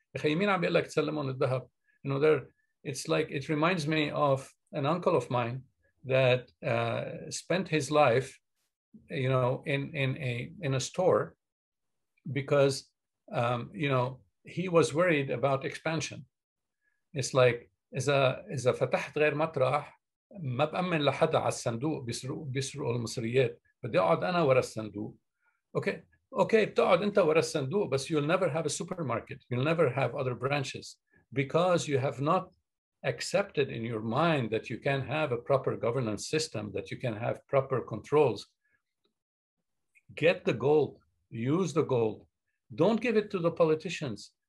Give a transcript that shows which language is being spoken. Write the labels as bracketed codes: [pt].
[ar] Akhi min am bi'lak tsallimun al-dahab. [en] You know, they're, it's like, it reminds me of an uncle of mine that spent his life, you know, in a store, because, you know, he was worried about expansion. It's like, [ar] إذا فتحت غير مطرح ما بأمن لحدا على الصندوق بيسرقوا المصريات بدي أقعد أنا ورا الصندوق. [en] Okay, [ar] بتقعد أنت ورا الصندوق, [en] but you'll never have a supermarket, you'll never have other branches, because you have not accepted in your mind that you can have a proper governance system, that you can have proper controls. Get the gold, use the gold, don't give it to the politicians.